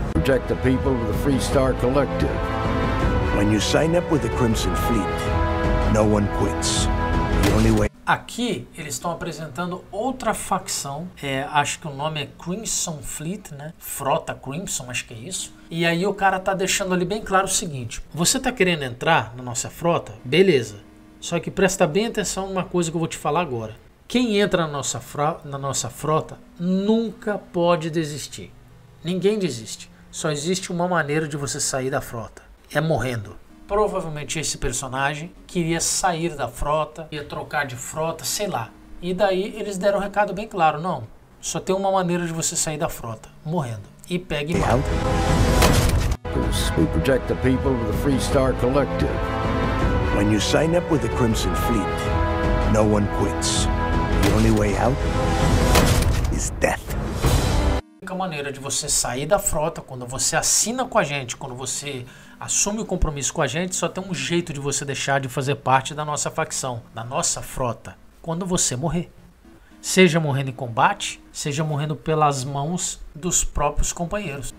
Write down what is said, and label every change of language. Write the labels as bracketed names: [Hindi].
[English] Protect the people of the Free Star Collective. When you sign up with the Crimson Fleet, no one quits. The only way... [Portuguese] Aqui eles estão apresentando outra facção. Acho que o nome é Crimson Fleet, né? Frota Crimson, acho que é isso. E aí o cara tá deixando ali bem claro o seguinte: você tá querendo entrar na nossa frota? Beleza. Só que presta bem atenção numa coisa que eu vou te falar agora. Quem entra na nossa frota nunca pode desistir. Ninguém desiste. Só existe uma maneira de você sair da frota. É morrendo. Provavelmente esse personagem queria sair da frota, ia trocar de frota, sei lá. E daí eles deram um recado bem claro. Não, só tem uma maneira de você sair da frota. Morrendo. E pegue e mata. [English] We protect the people of the Free Star Collective. When you sign up with the Crimson Fleet, no one quits. The only way out is death. [Portuguese] A única maneira de você sair da frota, quando você assina com a gente, quando você assume o compromisso com a gente, só tem um jeito de você deixar de fazer parte da nossa facção, da nossa frota, quando você morrer. Seja morrendo em combate, seja morrendo pelas mãos dos próprios companheiros.